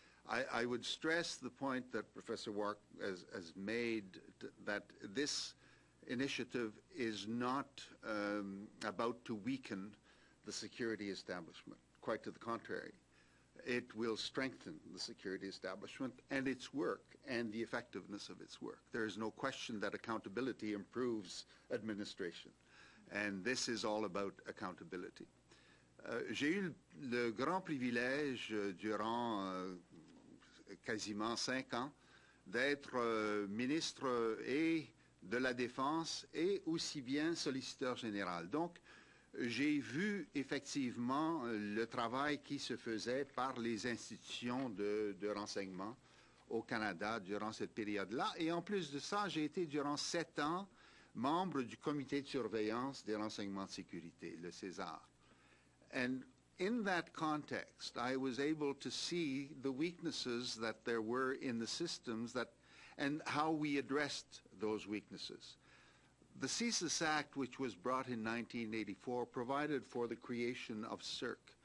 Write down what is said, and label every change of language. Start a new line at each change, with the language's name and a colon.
English: I would stress the point that Professor Walk has made, that this initiative is not about to weaken the security establishment. Quite to the contrary. It will strengthen the security establishment and its work and the effectiveness of its work. There is no question that accountability improves administration. And this is all about accountability.
French: J'ai eu le grand privilège durant quasiment 5 ans d'être ministre et de la Défense et aussi bien solliciteur général. Donc, j'ai vu effectivement le travail qui se faisait par les institutions de renseignement au Canada durant cette période-là. Et en plus de ça, j'ai été durant 7 ans membre du comité de surveillance des renseignements de sécurité, le César.
English: And in that context, I was able to see the weaknesses that there were in the systems that, and how we addressed those weaknesses. The CSIS Act, which was brought in 1984, provided for the creation of CERC.